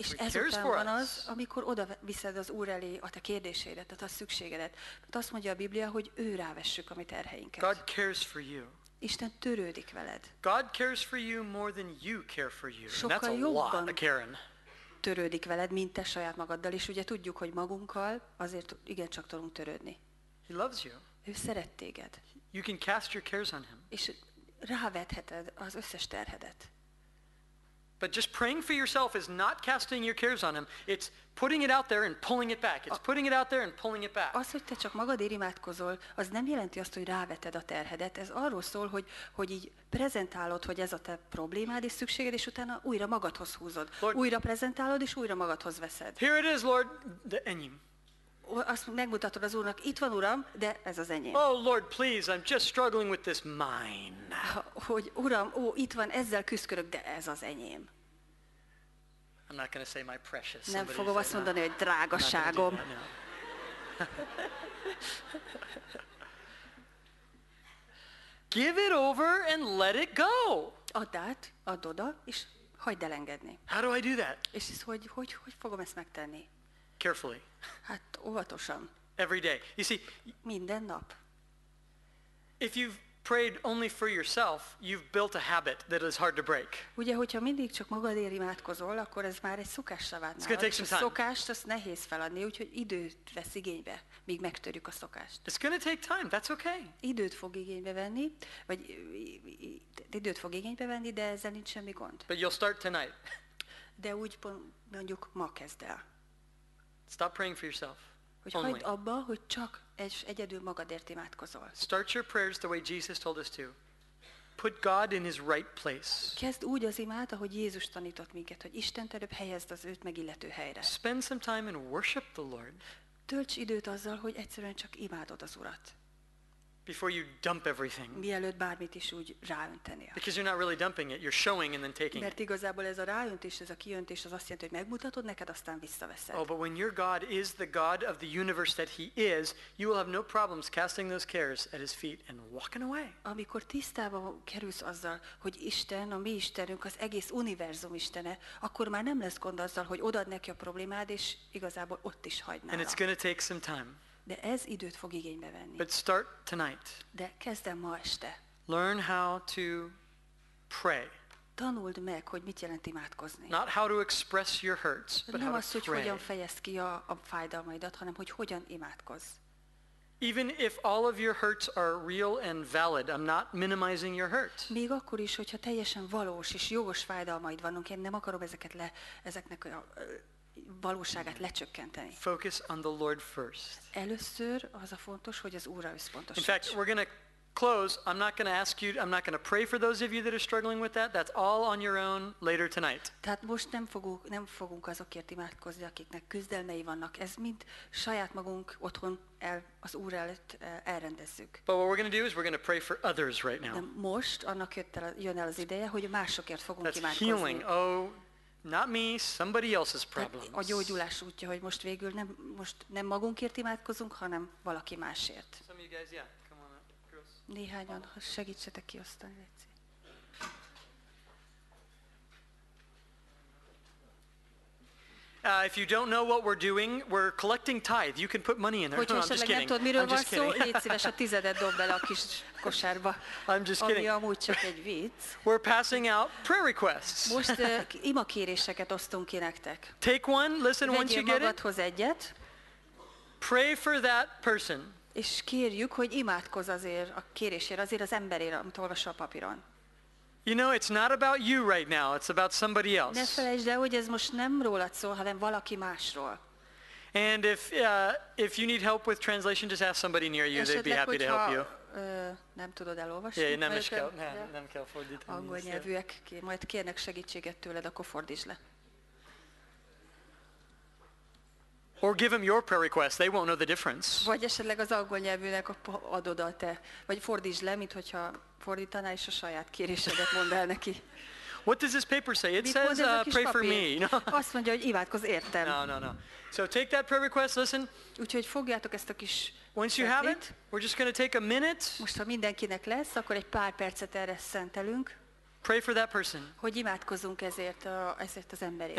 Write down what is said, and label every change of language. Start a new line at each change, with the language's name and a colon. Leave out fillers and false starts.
Hungarian: És ezután van az, amikor oda viszed az Úr elé a te kérdéseidet, a te szükségedet. Mert azt mondja a Biblia, hogy ő rávessük a mi terheinket.
English: God cares for you.
Hungarian: Isten törődik veled.
English: God cares for you more than you care for you.
Hungarian: Sokkal jobban Karen. Törődik veled, mint te saját magaddal, és ugye tudjuk, hogy magunkkal azért igen csak tudunk törődni.
English: He loves you.
Hungarian: Ő szeret téged.
English: You can cast your cares on him.
Hungarian: És rávetheted az összes terhedet.
English: But just praying for yourself is not casting your cares on him. It's putting it out there and pulling it back. It's putting it out there and pulling it back.
Hungarian: Az, hogy te csak magadért imádkozol, az nem jelenti azt, hogy ráveted a terhedet. Ez arról szól, hogy így prezentálod, hogy ez a te problémád és szükséged, és utána újra magadhoz húzod.
English: Lord,
Hungarian: újra prezentálod, és újra magadhoz veszed.
English: Here it is, Lord, the
Hungarian: enyém. Azt megmutatod az Úrnak, itt van Uram, de ez az enyém.
English: Oh, Lord, please, I'm just struggling with this mine.
Hungarian: Hogy Uram, itt van, ezzel küszkörök, de ez az enyém.
English: I'm not going to say my precious.
Hungarian: Nem fogom azt mondani, hogy drágaságom.
English: Give it over and let it go.
Hungarian: Add that, add oda, és hagyd el engedni.
English: How do I do that?
Hungarian: És ez hogy fogom ezt megtenni?
English: Carefully.
Hungarian: Hát óvatosan.
English: Every day. You see,
Hungarian: minden nap.
English: If you've prayed only for yourself, you've built a habit that is hard to break.
Hungarian: Ugye, hogyha mindig csak magadért imádkozol, akkor ez már egy szokássá vált.
English: It's gonna take some time.
Hungarian: A szokást azt nehéz feladni, úgyhogy időt vesz igénybe, míg megtörjük a szokást.
English: It's gonna take time, that's okay.
Hungarian: Időt fog igénybe venni, vagy időt fog igénybe venni, de ezzel nincs semmi gond.
English: But you'll start tonight.
Hungarian: De úgy mondjuk ma kezd el.
English: Stop praying for yourself.
Hungarian: Hogy hagyd abba, hogy csak egyedül magadért imádkozol.
English: Start your prayers the way Jesus told us to. put God in his right place.
Hungarian: Kezd úgy az imát, ahogy Jézus tanított minket, hogy Istent előbb helyezd az őt megillető helyre.
English: Spend some time and worship the Lord.
Hungarian: Tölts időt azzal, hogy egyszerűen csak imádod az Urat.
English: Before you dump everything.
Hungarian: Mielőtt bármit is úgy ráöntenél.
English: Because you're not really dumping it, you're showing and then taking.
Hungarian: Mert igazából ez a ráöntés, ez a kiöntés az azt jelenti, hogy megmutatod neked, aztán visszaveszed.
English: Oh, but when your God is the God of the universe that he is, you will have no problems casting those cares at his feet and walking away.
Hungarian: Amikor tisztába kerülsz azzal, hogy Isten, a mi Istenünk, az egész univerzum Istene, akkor már nem lesz gond azzal, hogy odaad neki a problémád, és igazából ott is hagynál.
English: And it's going to take some time.
Hungarian: De ez időt fog igénybe venni.
English: But start tonight.
Hungarian: De kezd el ma este.
English: Learn how to pray.
Hungarian: Tanuld meg, hogy mit jelent imádkozni.
English: Not how to express your hurts, but
Hungarian: nem
English: how
Hungarian: az,
English: to
Hungarian: hogy
English: pray.
Hungarian: Hogyan fejezd ki a fájdalmaidat, hanem hogy hogyan imádkozz.
English: Even if all of your hurts are real and valid, I'm not minimizing your hurts.
Hungarian: Még akkor is, hogyha teljesen valós és jogos fájdalmaid vannak, én nem akarom ezeket le ezeknek a valóságát lecsökkenteni.
English: Focus on the Lord first.
Hungarian: Először az a fontos, hogy az Úrra összpontosítsd.
English: In fact, we're going to close. I'm not going to ask you, I'm not going to pray for those of you that are struggling with that. That's all on your own later tonight.
Hungarian: Tehát most nem fogunk azokért imádkozni, akiknek küzdelmei vannak. Ez mind saját magunk otthon az Úr előtt elrendezzük.
English: But what we're going to do is we're going to pray for others right now.
Hungarian: De most annak jön el az ideje, hogy másokért fogunk
English: That's
Hungarian: imádkozni.
English: That's healing. Oh, not me, somebody else's problems.
Hungarian: A gyógyulás útja, hogy most végül nem magunkért imádkozunk, hanem valaki másért.
English: Some of you guys, yeah, come on up. Girls.
Hungarian: Néhányan, ha segítsetek kiosztani, léci.
English: If you don't know what we're doing, we're collecting tithe. You can put money in there. No, I'm just kidding.
Hungarian: Tudod, miről van szó? Légy szíves, a tizedet dob bele a kis kosárba.
English: I'm just kidding.
Hungarian: Ami amúgy csak egy vicc.
English: We're passing out prayer requests.
Hungarian: Most ima kéréseket osztunk ki nektek.
English: Take one, listen once you get it.
Hungarian: Vegyél magadhoz egyet.
English: Pray for that person.
Hungarian: És kérjük, hogy imádkozz azért a kérésért, azért az emberért, amit olvasol a papíron.
English: You know, it's not about you right now, it's about somebody else.
Hungarian: Ne felejtsd el, hogy ez most nem rólad szól, hanem valaki másról.
English: And if you need help with translation, just ask somebody near you,
Hungarian: esetleg,
English: they'd be happy to help you.
Hungarian: Nem tudod elolvasni. Yeah, nem is kell, nem kell fordítani. Angol nyelvűek, majd kérnek segítséget tőled, akkor fordítsd le.
English: Or give them your prayer request, they won't know the difference.
Hungarian: Vagy esetleg az angol nyelvűnek adod a te, vagy fordítsd le, mint hogyha fordítaná és a saját kérésedet mond el neki.
English: What does this paper say? It
Hungarian: mit
English: says pray
Hungarian: papír?
English: For me. No.
Hungarian: Azt mondja, hogy imádkozz értem.
English: No. So take that prayer request, listen.
Hungarian: Úgyhogy fogjátok ezt a kis
English: Once you have it, we're just going to take a minute.
Hungarian: Most ha mindenkinek lesz, akkor egy pár percet erre szentelünk.
English: Pray for that person.
Hungarian: Hogy imádkozzunk ezért az emberért.